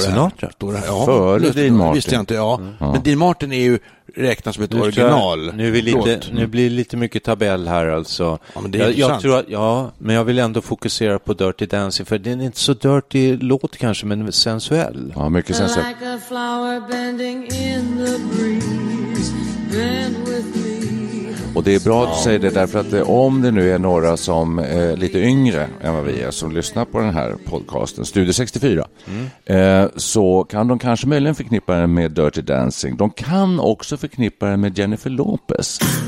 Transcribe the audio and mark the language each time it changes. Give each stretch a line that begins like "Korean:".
Swedish: Före Dean Martin. Visste jag inte, ja. Men Dean Martin är ju räknas som ett original. Nu blir det lite mycket tabell här alltså. Ja, men det är jag tror att, ja, men jag vill ändå fokusera på Dirty Dancing. För det är inte så dirty låt kanske, men sensuell. Ja, mycket sensuell.
English: Like a flower bending in the breeze, bend with me.
Swedish: Och det är bra att säga det därför att om det nu är några som är lite yngre än vad vi är som lyssnar på den här podcasten, Studio 64, så kan de kanske möjligen förknippa den med Dirty Dancing. De kan också förknippa den med Jennifer Lopez.